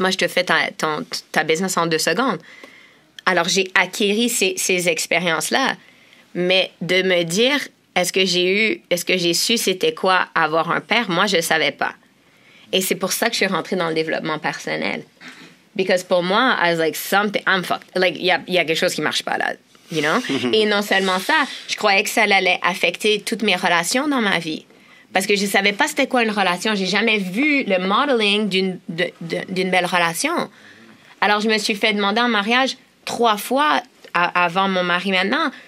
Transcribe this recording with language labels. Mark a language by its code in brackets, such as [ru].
[fr] Moi, je te fais ta business en 2 secondes. Alors, j'ai acquéri ces expériences-là. Mais de me dire, est-ce que j'ai su c'était quoi avoir un père? Moi, je savais pas. Et c'est pour ça que je suis rentrée dans le développement personnel. [en] Because [fr] pour moi, [en] I was like, something, I'm fucked. [fr] Like, il y a quelque chose qui marche pas là, [en] you know? [fr] Et non seulement ça, je croyais que ça allait affecter toutes mes relations dans ma vie. Parce que je savais pas c'était quoi une relation. J'ai jamais vu le modeling d'une belle relation. Alors, je me suis fait demander en mariage 3 fois avant mon mari maintenant.